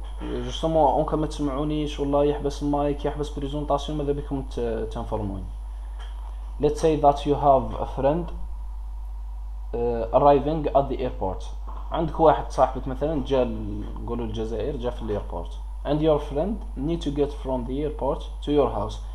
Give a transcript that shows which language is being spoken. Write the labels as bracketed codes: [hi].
[ar] Justement أنك ما تسمعونيش والله يحبس المايك يحبس بريزونطاسيون ماذا بكم تنفرموني. [en] Let's say that you have a friend arriving at the airport. [ar] عندك واحد صاحبك مثلا جا نقولوا الجزائر جا في الايربورت. [en] And your friend need to get from the airport to your house.